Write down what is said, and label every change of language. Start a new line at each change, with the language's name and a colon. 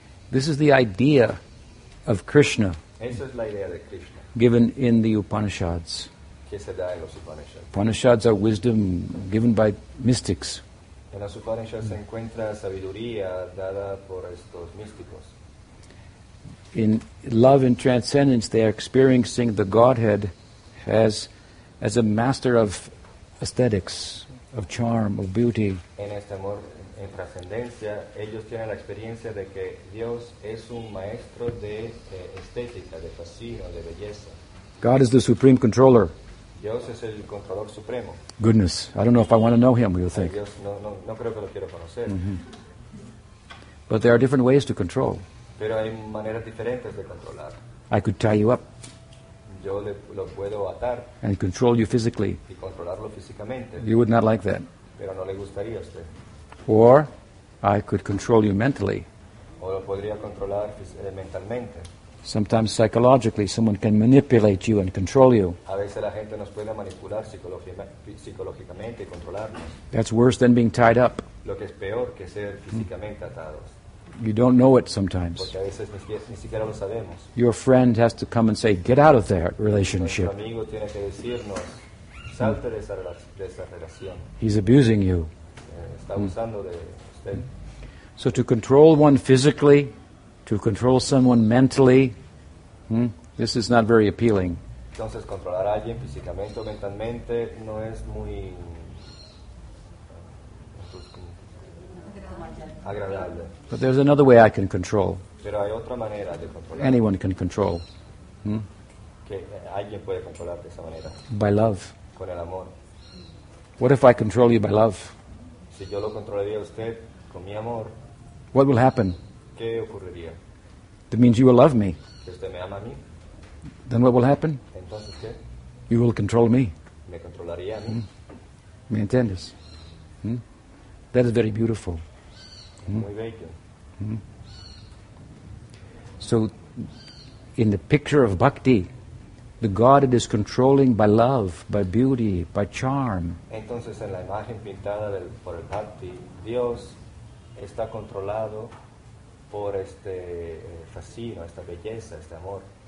English: This is the idea of Krishna.
Spanish: Esa es la idea de Krishna.
English: Given in the Upanishads.
Spanish: Que se da en los Upanishads.
English: Upanishads are wisdom given by mystics.
Spanish: En los Upanishads se encuentra sabiduría dada por estos místicos.
English: In love and transcendence, they are experiencing the Godhead as a master of aesthetics, of charm, of beauty.
Spanish: En este amor, en trascendencia, ellos tienen la experiencia de que Dios es un maestro de estética, de fascino, de belleza.
English: God is the supreme controller.
Spanish: Dios es el controlador supremo.
English: Goodness, I don't know if I want to know him, you think.
Spanish: Dios, no creo que lo quiero conocer.
English: But there are different ways to control.
Spanish: Pero hay maneras diferentes de controlar.
English: I could tie you up.
Spanish: Yo lo puedo atar.
English: And control you physically.
Spanish: Y controlarlo físicamente.
English: You would not like that.
Spanish: Pero no le gustaría a usted.
English: Or I could control you mentally.
Spanish: O lo podría controlar mentalmente.
English: Sometimes psychologically someone can manipulate you and control you.
Spanish: A veces la gente nos puede manipular psicológicamente y controlarnos.
English: That's worse than being tied up.
Spanish: Lo que es peor que ser físicamente atados.
English: You don't know it sometimes.
Spanish: Porque a veces ni siquiera lo sabemos.
English: Your friend has to come and say, get out of that relationship.
Spanish: Nuestro amigo tiene que decirnos, salte de esa relación.
English: He's abusing you.
Spanish: Está abusando de usted.
English: So to control one physically, to control someone mentally, this is not very appealing.
Spanish: Entonces, controlar a alguien físicamente o mentalmente no es muy agradable.
English: But there's another way I can control.
Spanish: Pero hay otra manera de controlar.
English: Anyone can control.
Spanish: Que alguien puede controlar de esa manera.
English: By love.
Spanish: Con el amor.
English: What if I control you by love?
Spanish: Si yo lo controlaría a usted con mi amor.
English: What will happen?
Spanish: ¿Qué ocurriría?
English: That means you will love me.
Spanish: Que usted me ama a mí.
English: Then what will happen?
Spanish: Entonces, ¿qué?
English: You will control me.
Spanish: Me controlaría a mí. ¿Me entiendes?
English: That is very beautiful.
Spanish: Muy bello.
English: So, in the picture of bhakti, the God it is controlling by love, by beauty, by charm.
Spanish: Entonces, en la imagen pintada por el bhakti, Dios está controlado por este fascino, esta belleza, este amor.